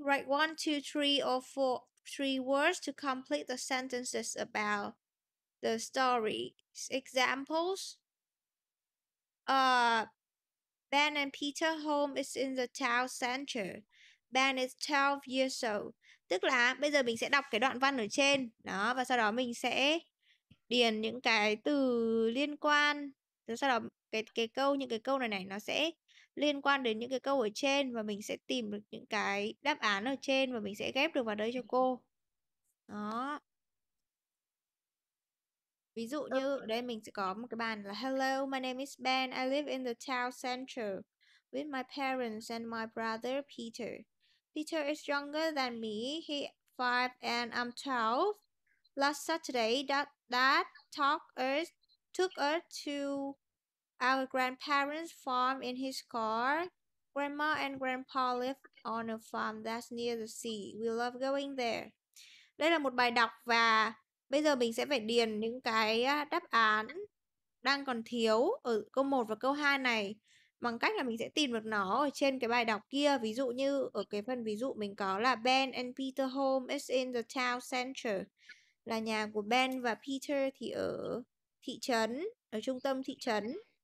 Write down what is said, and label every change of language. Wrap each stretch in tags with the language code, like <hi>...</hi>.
<en>Write 1, 2, 3, or 4 words to complete the sentences about the story. Examples. Ben and Peter home is in the town center. Ben is 12 years old.</en> <vi>Tức là bây giờ mình sẽ đọc cái đoạn văn ở trên. Đó, và sau đó mình sẽ điền những cái từ liên quan. Rồi sau đó cái câu, những cái câu này nó sẽ liên quan đến những cái câu ở trên, và mình sẽ tìm được những cái đáp án ở trên và mình sẽ ghép được vào đây cho cô. Đó. Ví dụ như ở đây mình sẽ có một cái bàn là</vi> <en>hello, my name is Ben. I live in the town center with my parents and my brother Peter. Peter is younger than me. He's 5 and I'm 12. Last Saturday, Dad took us to our grandparents' farm in his car. Grandma and Grandpa live on a farm that's near the sea. We love going there.</en> <vi>Đây là một bài đọc và bây giờ mình sẽ phải điền những cái đáp án đang còn thiếu ở câu 1 và câu 2 này bằng cách là mình sẽ tìm được nó ở trên cái bài đọc kia. Ví dụ như ở cái phần ví dụ mình có là</vi> <en>Ben and Peter home is in the town center,</en> <vi>là nhà của Ben và Peter thì ở thị trấn, ở trung tâm thị trấn.</vi>